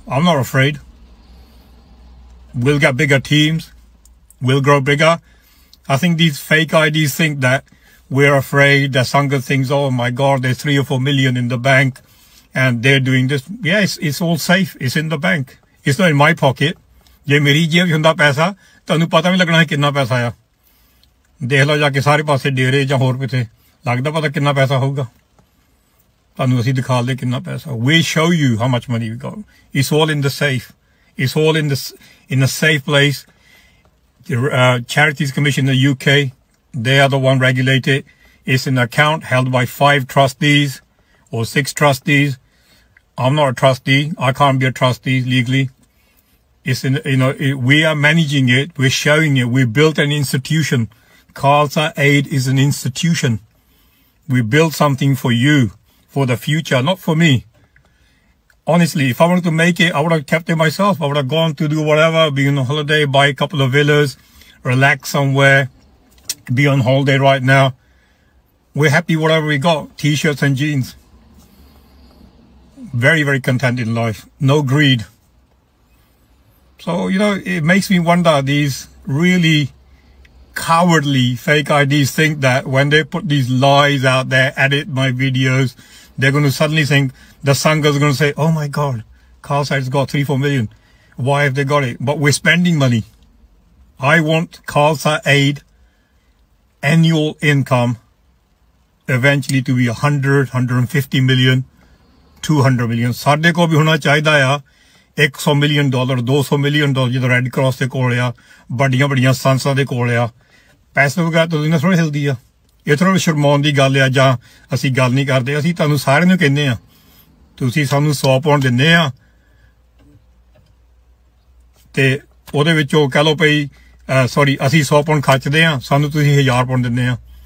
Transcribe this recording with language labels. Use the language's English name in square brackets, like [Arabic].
[English] I'm not afraid, we'll get bigger teams, we'll grow bigger. I think these fake IDs think that we're afraid, that Sangha thinks, oh my god, there's 3-4 million in the bank and they're doing this. Yes, it's all safe, it's in the bank, it's not in my pocket. [Punjabi] ਜੇ ਮੇਰੀ ਜੇਬ ਵਿੱਚ ਹੁੰਦਾ ਪੈਸਾ, ਤੁਹਾਨੂੰ ਪਤਾ ਵੀ ਲੱਗਣਾ ਸੀ ਕਿੰਨਾ ਪੈਸਾ ਆ। ਦੇਖ ਲਓ ਜਾ ਕੇ ਸਾਰੇ ਪਾਸੇ ਡੇਰੇ ਜਾਂ ਹੋਰ ਕਿਤੇ, ਲੱਗਦਾ ਪਤਾ ਕਿੰਨਾ ਪੈਸਾ ਹੋਊਗਾ। ਤੁਹਾਨੂੰ ਅਸੀਂ ਦਿਖਾ ਲਏ ਕਿੰਨਾ ਪੈਸਾ। [English] We show you how much money we got, it's all in the safe, it's all in the in the safe place. Charities commission the UK, they are the one regulated, it's in account held by 5 trustees or 6 trustees। I'm not a trustee, I can't be a trustee legally. It's in, you know, we are managing it, we're showing it, we built an institution. Khalsa Aid is an institution. We built something for you, for the future, not for me. Honestly, if I wanted to make it, I would have kept it myself. I would have gone to do whatever, be on a holiday, buy a couple of villas, relax somewhere, be on holiday right now. We're happy whatever we got, t-shirts and jeans. Very, very content in life. No greed. So, you know, it makes me wonder, these really cowardly fake IDs think that when they put these lies out there, edit my videos, they're going to suddenly think, the Sangha's going to say, oh my God, Khalsa has got 3-4 million. Why have they got it? But we're spending money. I want Khalsa Aid annual income eventually to be 100, 150 million, 200 million. [Punjabi] Sade ko bhi hona chahida ya. $100 million, $200 million ਜਦੋਂ red cross ਦੇ ਕੋਲ ਆ, ਵੱਡੀਆਂ ਵੱਡੀਆਂ ਸੰਸਥਾ ਦੇ ਕੋਲ ਆ, ਪੈਸੇ ਵਗੈਰਾ ਤੋਂ ਦਿਨ ਥੋੜ੍ਹੀ ਹਿਲਦੀ ਆ। ਇਹ ਥੋੜ੍ਹਾ ਸ਼ਰਮਾਉਣ ਦੀ ਗੱਲ ਆ, ਜਾਂ ਅਸੀਂ ਗੱਲ ਨਹੀਂ ਕਰਦੇ। ਅਸੀਂ ਤੁਹਾਨੂੰ ਸਾਰਿਆਂ ਨੂੰ ਕਹਿੰਦੇ ਹਾਂ, ਤੁਸੀਂ ਸਾਨੂੰ 100 pound ਦਿੰਦੇ ਹਾਂ ਅਤੇ ਉਹਦੇ ਵਿੱਚੋਂ ਕਹਿ ਲਓ ਭਾਈ, ਸੋਰੀ, ਅਸੀਂ 100 pound ਖਰਚਦੇ ਹਾਂ, ਸਾਨੂੰ ਤੁਸੀਂ 1000 pound ਦਿੰਦੇ ਹਾਂ।